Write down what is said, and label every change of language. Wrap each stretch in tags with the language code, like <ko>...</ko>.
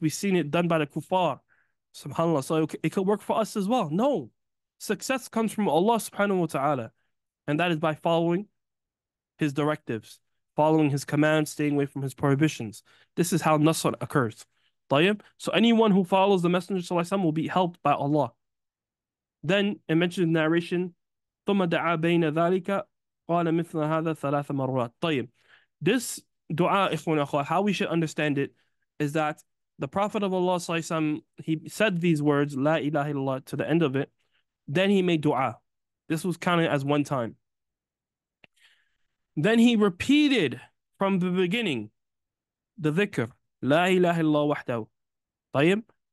<en>We've seen it done by the kuffar, subhanAllah. So it could work for us as well. No. Success comes from Allah subhanahu wa ta'ala. And that is by following His directives, following His commands, staying away from His prohibitions. This is how nasr occurs.</en> <ar>طيب.</ar> <en>So anyone who follows the Messenger sallallahu alayhi wa sallam will be helped by Allah. Then it mentions narration,</en> <ar>ثُمَّ دَعَى بَيْنَ ذَلِكَ قَالَ مِثْلَ هَذَا ثَلَاثَ مَرَّاتٍ طيب.</ar> <en>This dua, ikhwan akhwa, how we should understand it is that the Prophet of Allah sallallahu alayhi wa sallam, he said these words,</en> <ar>لا إله إلا الله,</ar> <en>to the end of it. Then he made dua. This was counted as one time. Then he repeated from the beginning the dhikr, La ilaha illallah wahdahu. Tayyib.</en>